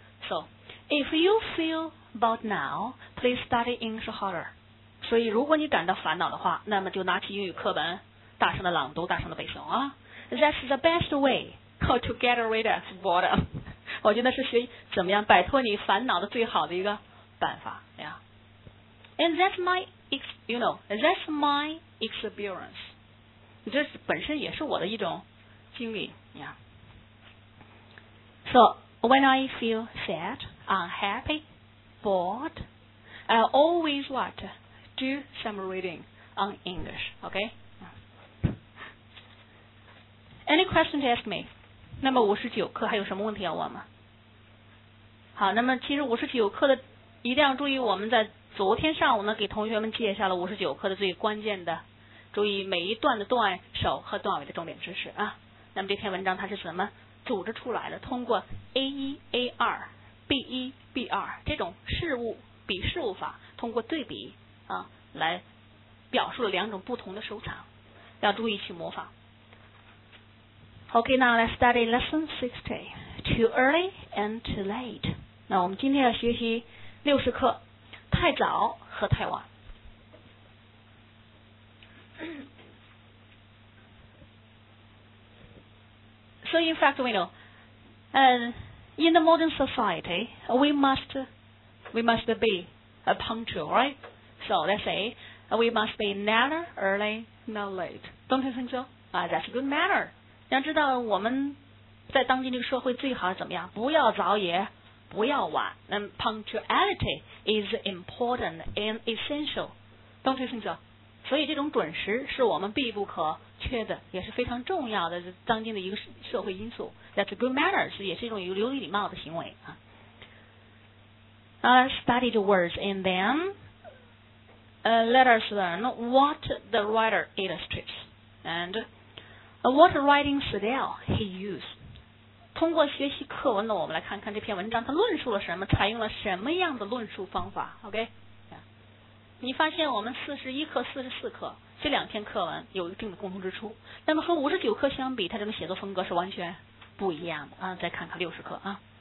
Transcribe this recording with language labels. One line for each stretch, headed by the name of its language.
English: So if you feel bored now, please study English harder.
Chinese: 所以如果你感到烦恼的话，那么就拿起英语课本，大声的朗读，大声的背诵啊。
English: That's the best way. To get rid of boredom,
Chinese: 我觉得是学怎么样摆脱你烦恼的最好的一个办法呀。
English: And that's my, you know, that's my experience.
Chinese: 这本身也是我的一种经历呀。
English: So when I feel sad, unhappy, bored, I always what? Do some reading on English, okay? Any question to ask me?
Chinese: 那么59课还有什么问题要问吗？好，那么其实59课的一定要注意，我们在昨天上午呢给同学们介绍了59课的最关键的，注意每一段的段首和段尾的重点知识啊。那么这篇文章它是怎么组织出来的？通过 A1 A2 B1 B2 这种事物比事物法，通过对比啊来表述了两种不同的收藏，要注意去模仿。
English: Okay, now let's study lesson 60, too early and too late.
Chinese: 那我们今天要学习60课，太早和太晚。
English: So in fact, we know, in the modern society, we must be a punctual, right? So let's say, we must be neither early nor late. Don't you think so? That's a good manner.
Chinese: 你要知道我们在当今这个社会最好怎么样？不要早也，不要晚。
English: 那 punctuality is important and essential, don't you think so?
Chinese: 所以这种准时是我们必不可缺的，也是非常重要的当今的一个社会因素。
English: That's a good manner,
Chinese: 也是一种有礼貌的行为啊。
English: study the words, and then let us learn what the writer illustrates and what writing style he used.
Chinese: 通过学习课文呢，我们来看看这篇文章它论述了什么，采用了什么样的论述方法。 OK， 你发现我们41课、44课这两篇课文有一定的共同之处，那么和59课相比，它这种写作风格是完全不一样的啊。再看看60课啊。